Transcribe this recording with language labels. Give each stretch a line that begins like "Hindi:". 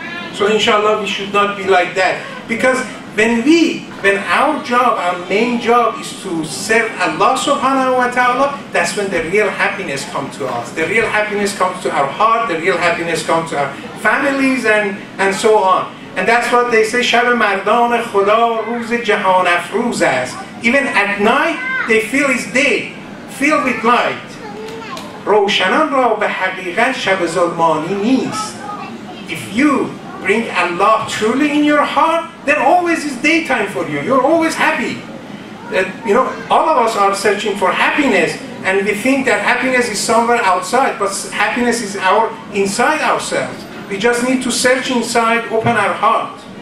English: So inshallah, we should not be like that. Because when our job, our main job is to serve Allah subhanahu wa ta'ala, that's when the real happiness comes to us. The real happiness comes to our heart, the real happiness comes to our families, and so on. And that's what they say,
Persian: شب مردان خدا روز جهان افروز است.
English: Even at night, they feel it's day, filled with light.
Persian: روشنان را به حقیقت شب ظلمانی نیست.
English: If you bring Allah truly in your heart, then always is daytime for you. You're always happy. You know, all of us are searching for happiness, and we think that happiness is somewhere outside, but happiness is inside ourselves. We just need to search inside, open our heart.